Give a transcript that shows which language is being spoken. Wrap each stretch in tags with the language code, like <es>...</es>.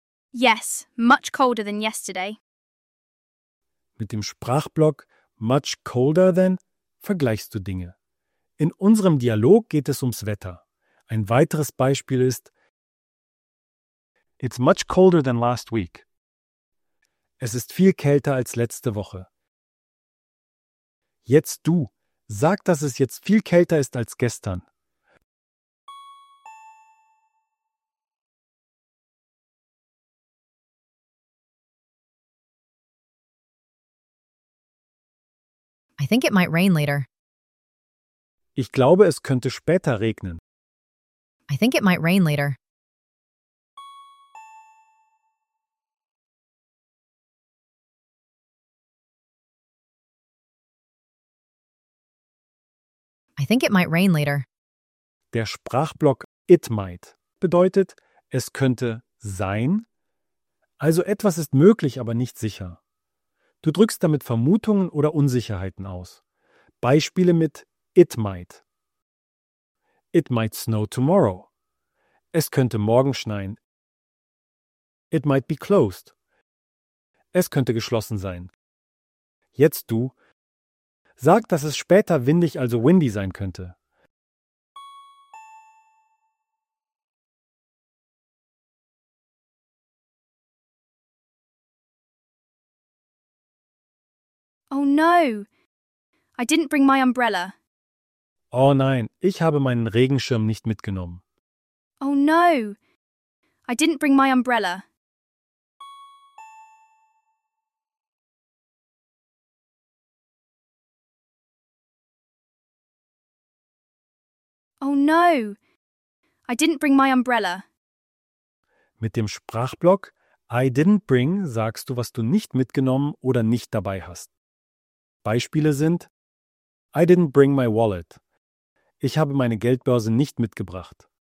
<en>Yes, much colder than yesterday.</en> <de>Mit dem Sprachblock</de> <en>much colder than</en> <de>vergleichst du Dinge. In unserem Dialog geht es ums Wetter. Ein weiteres Beispiel ist:</de> <en>It's much colder than last week.</en> <de>Es ist viel kälter als letzte Woche. Jetzt du, sag, dass es jetzt viel kälter ist als gestern.</de> <en>I think it might rain later.</en> <de>Ich glaube, es könnte später regnen.</de> <en>I think it might rain later. I think it might rain later.</en> <de>Der Sprachblock it might bedeutet, es könnte sein. Also etwas ist möglich, aber nicht sicher. Du drückst damit Vermutungen oder Unsicherheiten aus. Beispiele mit</de> <en>it might. It might snow tomorrow.</en> <de>Es könnte morgen schneien.</de> <en>It might be closed.</en> <de>Es könnte geschlossen sein. Jetzt du. Sag, dass es später windig, also windy sein könnte.</de> <en>Oh no, I didn't bring my umbrella.</en> <de>Oh nein, ich habe meinen Regenschirm nicht mitgenommen.</de> <en>Oh no, I didn't bring my umbrella. Oh no, I didn't bring my umbrella.</en> <de>Mit dem Sprachblock</de> <en>I didn't bring</en> <de>sagst du, was du nicht mitgenommen oder nicht dabei hast. Beispiele sind:</de> <en>I didn't bring my wallet.</en> <de>Ich habe meine Geldbörse nicht mitgebracht.</de>